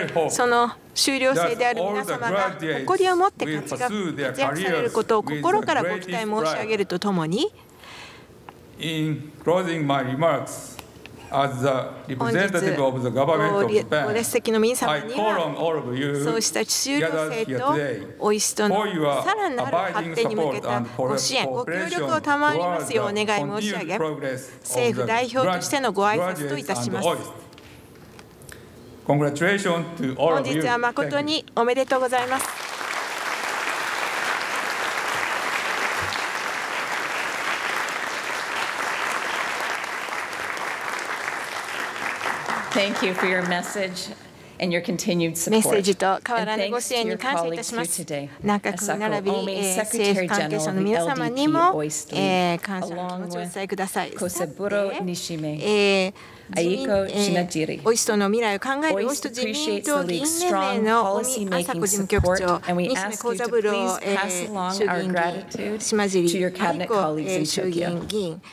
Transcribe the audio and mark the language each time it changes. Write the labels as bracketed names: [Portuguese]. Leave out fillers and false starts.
[Japanese] その修了生である皆様が誇りを持って活躍されることを心からご期待申し上げるとともに、 [English] In closing my remarks,As the representative of the government of Japan, [Japanese] ご列席の皆様には、そうした修了生とオイストのさらなる発展に向けたご支援、ご協力を賜りますようお願い申し上げ、政府代表としてのご挨拶といたします。本日は誠におめでとうございます。 [English] Thank you for your message and your continued support. [Japanese] メッセージと変わらぬご支援に感謝いたします。内閣並び政府関係者の皆様にも感謝の気持ちをお伝えください。コセブロ・ニシメ、アイコ・シナジリ、オイストの未来を考えるオイスト自民党議員連盟の鬼麻子事務局長、ニシメ・コザブロ衆議院議員、島尻アイコ衆議院議員、